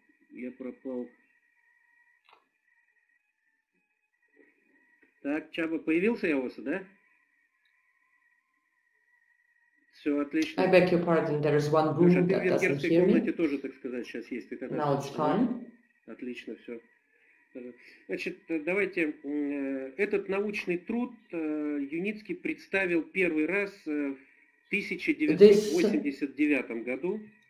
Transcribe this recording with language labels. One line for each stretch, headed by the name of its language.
Russian: Я пропал. Так, Чаба, появился я у вас, да? Все отлично.
English: I beg your pardon, there is one room that doesn't hear me.
Russian: В комнате тоже, так сказать, сейчас есть.
English: Now it's fine.
Russian: Отлично, все. Значит, давайте. Этот научный труд Юницкий представил первый раз в 1989 году.